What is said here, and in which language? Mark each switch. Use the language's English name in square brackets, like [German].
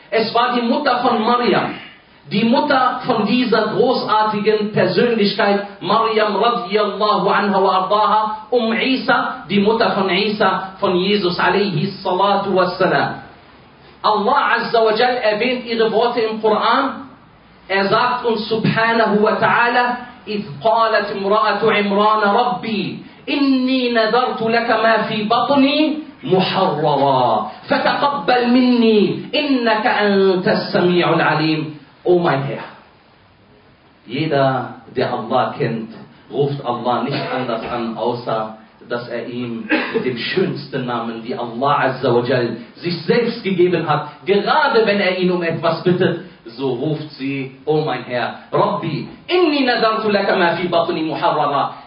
[German] Es war die Mutter von Maryam. Die Mutter von dieser großartigen Persönlichkeit, Maryam radiyallahu anha wa ardaha, Isa, die Mutter von Isa, von Jesus alayhi salatu wa salam. Allah Azza wa Jal erwähnt ihre Worte im Koran. Er sagt uns [Arabic] subhanahu wa ta'ala, إِذْ قَالَتْ امْرَأَةُ عِمْرَانَ رَبِّي إني نذرت لك ما في بطني محررا فتقبل مني إنك أنت السميع العليم. [German] Oh mein Herr, jeder, der Allah kennt, ruft Allah nicht anders an, außer dass er ihm mit dem schönsten Namen, die Allah Azza wa Jal sich selbst gegeben hat, gerade wenn er ihn um etwas bittet, so ruft sie, oh mein Herr, [Arabic] Rabbi, inni nadartu laka ma fi batni muharrara.